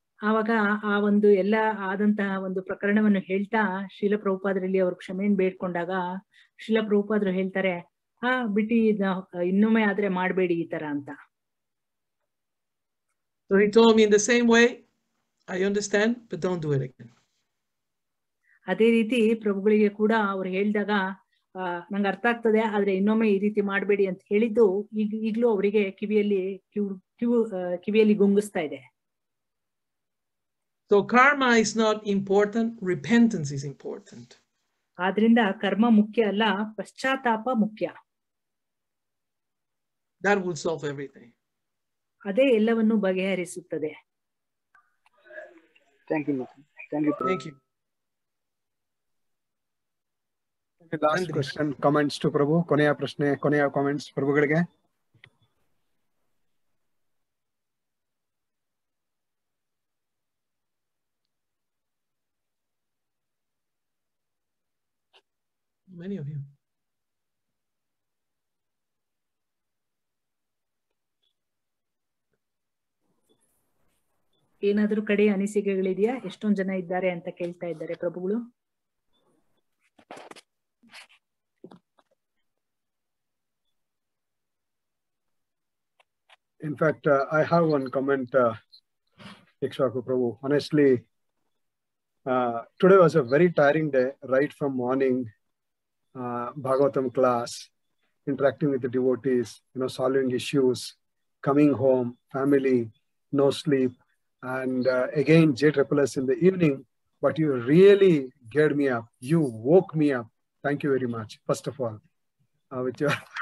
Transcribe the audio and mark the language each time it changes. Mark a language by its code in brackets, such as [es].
[kn] Avaga aa ondu ella aadanta ondu prakaranavannu helta Srila Prabhupada ralli avaru kshameyannu bedkondaga Srila Prabhupada heltare ಹಾ ಬಿಟ್ಟಿ ಇನ್ನೊಮ್ಮೆ ಆದ್ರೆ ಮಾಡಬೇಡಿ ಈ ತರ ಅಂತ. [en] So he told me in the same way, I understand, but don't do it again. [kn] ಅದೇ ರೀತಿ ಪ್ರಭುಗಳಿಗೆ ಕೂಡ ಅವ್ರು ಹೇಳಿದಾಗ ನಂಗೆ ಅರ್ಥ ಆಗ್ತದೆ ಆದ್ರೆ ಇನ್ನೊಮ್ಮೆ ಈ ರೀತಿ ಮಾಡಬೇಡಿ ಅಂತ ಹೇಳಿದ್ದು ಈಗಲೂ ಅವರಿಗೆ ಕಿವಿಯಲ್ಲಿ ಗುಂಗಿಸ್ತಾ ಇದೆ. [en] So karma is not important, repentance is important. [kn] ಆದ್ರಿಂದ ಕರ್ಮ ಮುಖ್ಯ ಅಲ್ಲ, ಪಶ್ಚಾತ್ತಾಪ ಮುಖ್ಯ. [en] That will solve everything. [kn] ಅದೇ ಎಲ್ಲವನ್ನು ಬಗೆಹರಿಸುತ್ತದೆ. [en] Thank you. Last question, comments to Prabhu. [kn] ಕೊನೆಯ ಪ್ರಶ್ನೆ, ಕೊನೆಯ ಕಾಮೆಂಟ್ಸ್ ಪ್ರಭುಗಳಿಗೆ. [en] Many of you. [kn] ಏನಾದರೂ ಕಡೆ ಅನಿಸಿಕೆಗಳಿದೆಯಾ, ಎಷ್ಟೊಂದು ಜನ ಇದ್ದಾರೆ ಅಂತ ಕೇಳ್ತಾ ಇದ್ದಾರೆ ಪ್ರಭುಗಳು. [en] In fact I have one comment Ikshvaku Prabhu. Honestly today was a very tiring day, right from morning Bhagavatam class, interacting with devotees, you know, solving issues, coming home, family, no sleep. And again, JSSS in the evening, but you really geared me up. You woke me up. Thank you very much, first of all, with your